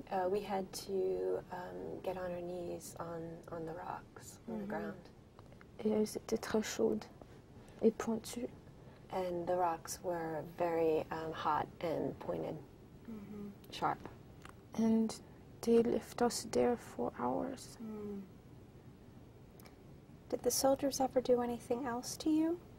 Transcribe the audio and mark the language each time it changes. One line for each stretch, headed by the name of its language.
English: We had to get on our knees on the rocks on the ground.
French: Et elles étaient très chaudes et pointues.
English: And the rocks were very hot and pointed, sharp. And they left us there for hours. Mm. Did the soldiers ever do anything else to you?